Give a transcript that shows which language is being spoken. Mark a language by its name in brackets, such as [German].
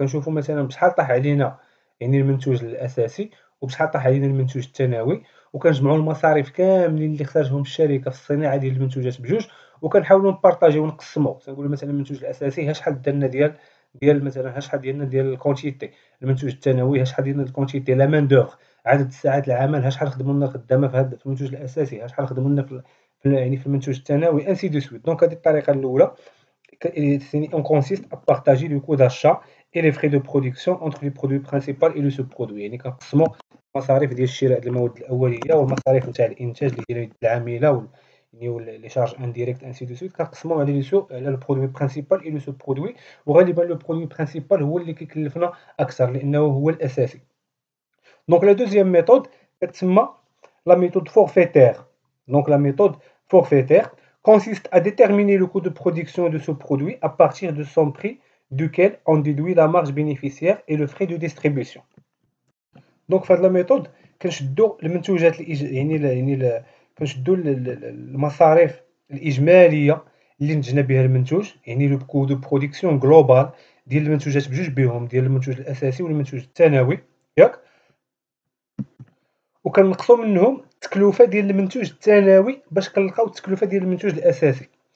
[Arabic] كنشوفو مثلا بشحال طاح علينا يعني المنتوج الاساسي، وبشحال طاح علينا المنتوج الثانوي، وكنجمعو المصاريف كاملين اللي خرجهم الشركه في الصناعه ديال المنتوجات بجوج، وكنحاولو نبارطاجيو ونقسمو. كنقولو مثلا المنتوج الاساسي ها شحال درنا ديال مثلا ها شحال ديالنا ديال الكونتيتي، المنتوج الثانوي ها شحال ديالنا الكونتيتي [French] لا مان دوغ، [Arabic] عدد ساعات العمل ها شحال خدمو لنا خدامه في هذا المنتوج الاساسي، ها شحال خدمو لنا في المنتوج الثانوي، [French] انسي دو سويت. [Arabic] دونك هذه الطريقه الاولى [French] on consiste à partager le coût d'achat et les frais de production entre le produit principal et le sous-produit. [Arabic] يعني كنقسمو مصاريف ديال الشراء ديال المواد الاوليه والمصاريف نتاع الانتاج اللي كاين العامله و يعني [French] لي شارج انديريكت انسي دو سويت، [Arabic] كنقسمو [French] على لي سو على لو برودوي برينسيبال اي لو سو برودوي، [Arabic] وغالبا لو برودوي برينسيبال هو اللي كيكلفنا اكثر لانه هو الاساسي. [French] دونك لا دوزيام ميثود كتسمى لا ميثود فورفيتير. دونك لا ميثود فورفيتير consiste à déterminer le coût de production de ce produit à partir de son prix duquel on déduit la marge bénéficiaire et le frais de distribution. Donc faire la méthode [Arabic] كنشدو المنتوجات يعني كنشدو المصاريف الاجماليه اللي نتجنا بها المنتوج، يعني [French] لو كو دو برودكسيون جلوبال [Arabic] ديال المنتوجات بجوج بهم، ديال المنتوج الاساسي والمنتوج الثانوي، ياك، وكنقصوا منهم التكلفه ديال المنتوج الثانوي باش كنلقاو التكلفه ديال المنتوج الاساسي.